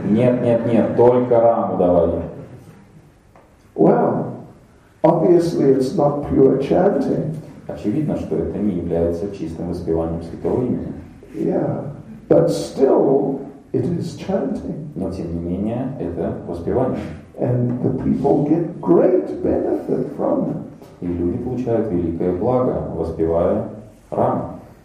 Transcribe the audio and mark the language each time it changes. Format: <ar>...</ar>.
<ru>Нет, нет, нет, только Раму давай.</ru> <en>Well, obviously it's not pure chanting.</en> <ru>Очевидно, что это не является чистым воспеванием святого имени.</ru> <en>Yeah, but still it is chanting.</en> <ru>Но тем не менее это воспевание.</ru> <en>And the people get great benefit from it.</en> <ru>И люди получают великое благо, воспевая Раму.</ru>